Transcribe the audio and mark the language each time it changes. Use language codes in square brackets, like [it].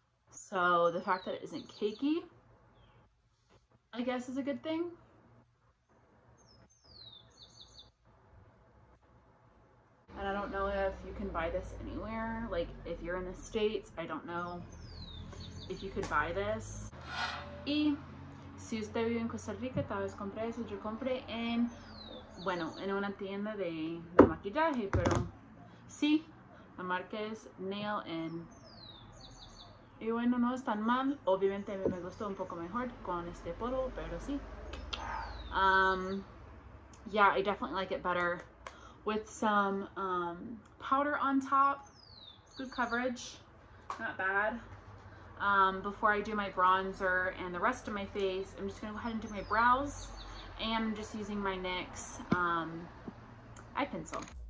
[en] So the fact that it isn't cakey, I guess is a good thing. And I don't know if you can buy this anywhere. Like if you're in the States, I don't know if you could buy this. [es] Y si usted vive en Costa Rica, tal vez compre eso, yo compre en bueno, en una tienda de maquillaje, pero sí, la marca es Nail, and y bueno, no es tan mal. Obviamente a mí me gustó un poco mejor con este polvo, pero sí. [en] Yeah, I definitely like it better with some powder on top. Good coverage, not bad. Before I do my bronzer and the rest of my face, I'm just gonna go ahead and do my brows. And I'm just using my NYX eye pencil.